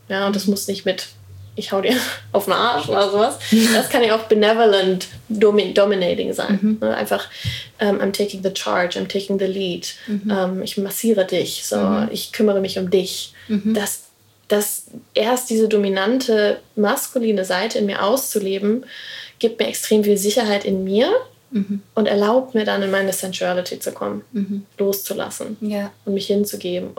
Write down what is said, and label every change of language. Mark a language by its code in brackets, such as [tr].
[de] Ja, und das muss nicht mit, ich hau dir auf den Arsch oder sowas. Das kann ja auch [en] benevolent dominating [de] sein. Mhm. Einfach, [en] I'm taking the charge, I'm taking the lead. Mhm. [de] Ich massiere dich, so, ich kümmere mich um dich. Mhm. Dass erst diese dominante, maskuline Seite in mir auszuleben, gibt mir extrem viel Sicherheit in mir. Und erlaubt mir dann, in meine Sensuality zu kommen, loszulassen und mich hinzugeben.